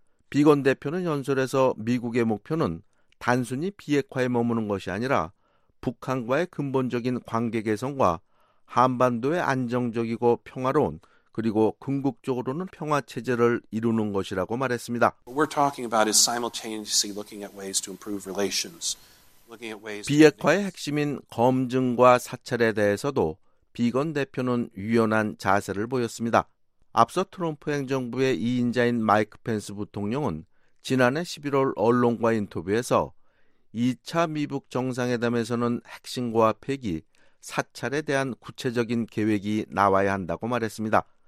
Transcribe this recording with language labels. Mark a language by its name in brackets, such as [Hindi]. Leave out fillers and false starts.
[Korean] 비건 대표는 연설에서 미국의 목표는 단순히 비핵화에 머무는 것이 아니라 북한과의 근본적인 관계 개선과 한반도의 안정적이고 평화로운 그리고 궁극적으로는 평화 체제를 이루는 것이라고 말했습니다. [English] We're talking about is simultaneously looking at ways to improve relations. Looking at ways [Korean] 비핵화의 핵심인 검증과 사찰에 대해서도 비건 대표는 유연한 자세를 보였습니다. 앞서 트럼프 행정부의 2인자인 마이크 펜스 부통령은 지난해 11월 언론과 인터뷰에서 2차 미북 정상회담에서는 핵심과 폐기, 사찰에 대한 구체적인 계획이 나와야 한다고 말했습니다.